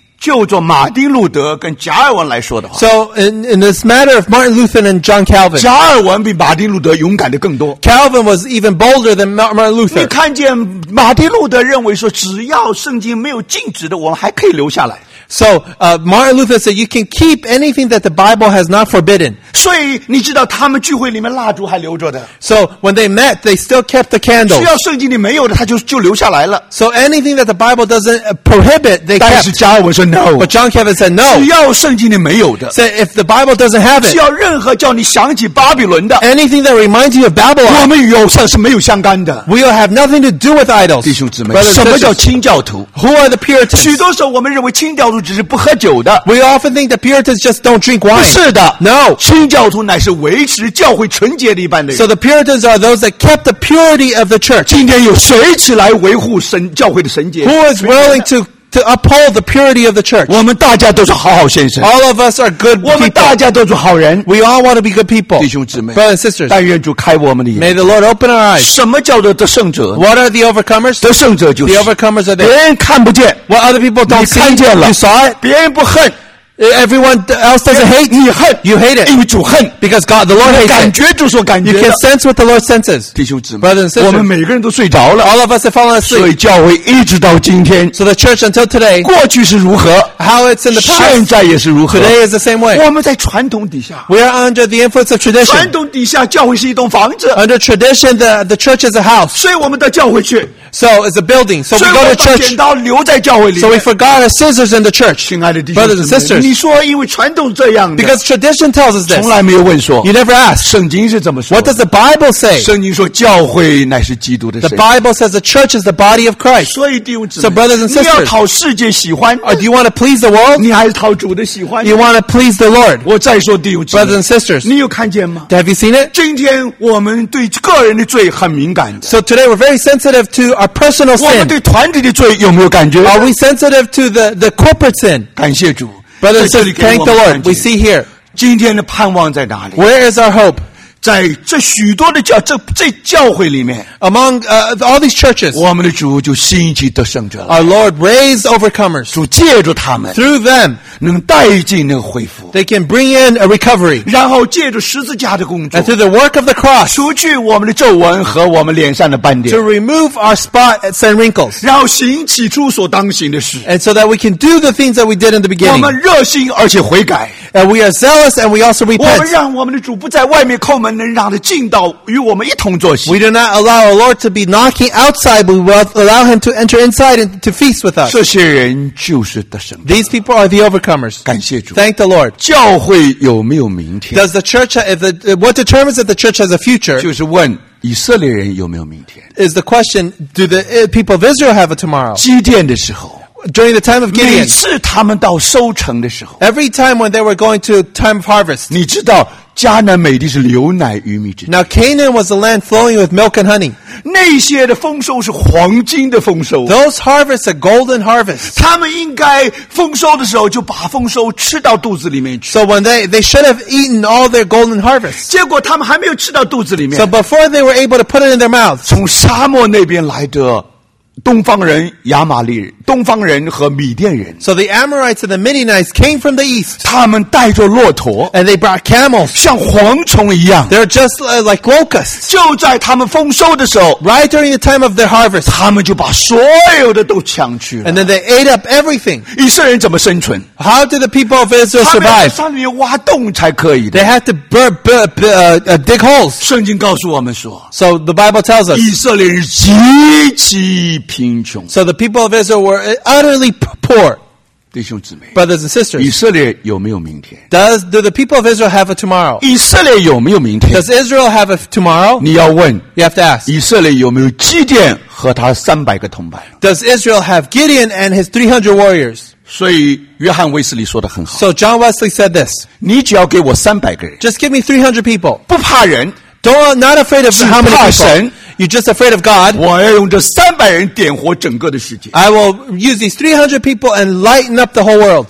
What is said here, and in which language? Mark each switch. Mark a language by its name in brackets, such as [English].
[Chinese] 就做马丁路德跟加尔文来说的话。 [English] So in this matter of Martin Luther and John Calvin. [Chinese] 加尔文比马丁路德勇敢的更多。 [English] Calvin was even bolder than Martin Luther. [Chinese] 你看见马丁路德认为说只要圣经没有禁止的我们还可以留下来。 [English] So, Martin Luther said, you can keep anything that the Bible has not forbidden. [Chinese] 所以你知道他们聚会里面蜡烛还留着的。 [English] So, when they met, they still kept the candles. [Chinese] 需要圣经里没有的他就留下来了。 [English] So, anything that the Bible doesn't prohibit, they kept. [Chinese] 但是加尔文说 [English] no. But John Calvin said no. [Chinese] 只要圣经里没有的。 [English] Said, if the Bible doesn't have it. [Chinese] 只要任何叫你想起巴比伦的。 [English] Anything that reminds you of Babylon. [Chinese] 我们与偶像是没有相干的。 [English] We'll have nothing to do with idols. [Chinese] 弟兄姊妹什么叫清教徒 [English] ?Who are the Puritans? [Chinese] 许多时候我们认为清教徒只是不喝酒的。 [English] We often think the Puritans just don't drink wine. [Chinese] 不是的 [English] ，No. [Chinese] 清教徒乃是维持教会纯洁的一般的人。 [English] So the Puritans are those that kept the purity of the church. [Chinese] 今天有谁起来维护神教会的圣洁 [English] ？Who is willing to uphold the purity of the church? [Chinese] 我们大家都是好好先生。 [English] All of us are good people. [Chinese] 我们大家都是好人。 [English] We all want to be good people. [Chinese] 弟兄姊妹 [English] ，Brothers and sisters. [Chinese] 但愿主开我们的眼。 [English] May the Lord open our eyes. [Chinese] 什么叫做得胜者 [English] ？What are the overcomers? [Chinese] 得胜者就是。 [English] The overcomers are there. [Chinese] 别人看不见。 [English] What other people don't see? [Chinese] 你看见了。 [English] You saw it. [Chinese] 别人不恨。 [English] Everyone else doesn't hate. [Chinese] 你恨。 [English] You hate it. [Chinese] 因为主恨。 [English] Because God, the Lord hates it. [Chinese] 感觉主所感觉的。 [English] You can sense what the Lord senses. [Chinese] 弟兄姊妹。 [English] Brothers and sisters. [Chinese] 我们每个人都睡着了。 [English] All of us have fallen asleep. [Chinese] 所以教会一直到今天。 [English] So the church until today. [Chinese] 过去是如何。 [English] How it's in the past. [Chinese] 现在也是如何。 [English] Today is the same way. [Chinese] 我们在传统底下。 [English] We are under the influence of tradition. [Chinese] 传统底下教会是一栋房子。 [English] Under tradition, the church is a house. [Chinese] 所以我们到教会去。 [English] So it's a building. So we go to church. [Chinese] 剪刀留在教会里。 [English] So we forgot our scissors in the church. [Chinese] 亲爱的弟兄姊妹。 [English] Brothers and sisters. [Chinese] 你说因为传统这样的。 [English] Because tradition tells us this. [Chinese] 从来没有问说。 [English] You never ask. [Chinese] 圣经是怎么说。 [English] What does the Bible say? [Chinese] 圣经说教会乃是基督的身。 [English] The Bible says the church is the body of Christ. [Chinese] 所以弟兄姊妹。 [English] So brothers and sisters. [Chinese] 你要讨世界喜欢。 [English] Or do you want to please the world? [Chinese] 你还是讨主的喜欢。 [English] You want to please the Lord. [Chinese] 我再说弟兄姊妹。 [English] Brothers and sisters. [Chinese] 你有看见吗 [English] ?Have you seen it? [Chinese] 今天我们对个人的罪很敏感的。 [English] So today we're very sensitive to our personal sin. [Chinese] 我们对团体的罪有没有感觉 [English] ?Are we sensitive to the corporate sin? [Chinese] 感谢主。 [English] Brothers and sisters, thank the Lord. We see here. [Chinese] 今天的盼望在哪里 [English] ?Where is our hope? [Chinese] 在这许多的教这教会里面。 [English] Among, all these churches. [Chinese] 我们的主就兴起得胜者了。 [English] Our Lord raised overcomers. [Chinese] 主借着他们。 [English] Through them. [Chinese] 能带进那个恢复。 [English] They can bring in a recovery. [Chinese] 然后借着十字架的工作。 [English] And through the work of the cross. [Chinese] 除去我们的皱纹和我们脸上的斑点。 [English] To remove our spots and wrinkles. [Chinese] 然后行起初所当行的事。 [English] And so that we can do the things that we did in the beginning. [Chinese] 我们热心而且悔改。 [English] And we are zealous and we also repent. [Chinese] 我们让我们的主不在外面叩门能让他进到与我们一同坐席。 [English] We do not allow our Lord to be knocking outside, but we allow him to enter inside and to feast with us. [Chinese] 这些人就是得胜者。 [English] These people are the overcomers. [Chinese] 感谢主。 [English] Thank the Lord. [Chinese] 教会有没有明天 [English] ?Does the church, what determines that the church has a future? [Chinese] 就是问以色列人有没有明天。 [English] Is the question, do the people of Israel have a tomorrow? [Chinese] 基甸的时候。 [English] during the time of Gideon, every time when they were going to time of harvest, now Canaan was a land flowing with milk and honey. [Chinese] 那些的丰收是黄金的丰收。 [English] Those harvests are golden harvests. [Chinese] 他们应该丰收的时候就把丰收吃到肚子里面去。 [English] So when they should have eaten all their golden harvests. [Chinese] 结果他们还没有吃到肚子里面。 [English] So before they were able to put it in their mouth. [Chinese] 从沙漠那边来的东方人亚玛利人，东方人和米甸人。 [English] So the Amorites and the Midianites came from the east. [Chinese] 他们带着骆驼。 [English] And they brought camels. [Chinese] 像蝗虫一样。 [English] They're just like locusts. [Chinese] 就在他们丰收的时候。 [English] Right during the time of their harvest. [Chinese] 他们就把所有的都抢去了。 [English] And then they ate up everything. [Chinese] 以色列人怎么生存？ [English] How did the people of Israel survive? [Chinese] 他们要在山里面挖洞才可以的。 [English] They had to dig holes. [Chinese] 圣经告诉我们说。 [English] So the Bible tells us. [Chinese] 以色列人极其贫穷。 [English] So the people of Israel were utterly poor. [Chinese] 弟兄姊妹， [English] brothers and sisters, [Chinese] 以色列有没有明天？ [English] Do the people of Israel have a tomorrow? [Chinese] 以色列有没有明天？ [English] Does Israel have a tomorrow? [Chinese] 你要问， [English] you have to ask. [Chinese] 以色列有没有基甸和他三百个同伴？ [English] Does Israel have Gideon and his 300 warriors? [Chinese] 所以约翰威斯利说得很好。 [English] So John Wesley said this. [Chinese] 你只要给我三百个人。 [English] Just give me 300 people. [Chinese] 不怕人。 [English] Not afraid of how many people. [Chinese] 只怕神。 [English] You're just afraid of God. [Chinese] 我要用这300人点火整个的世界。 [English] I will use these 300 people and lighten up the whole world.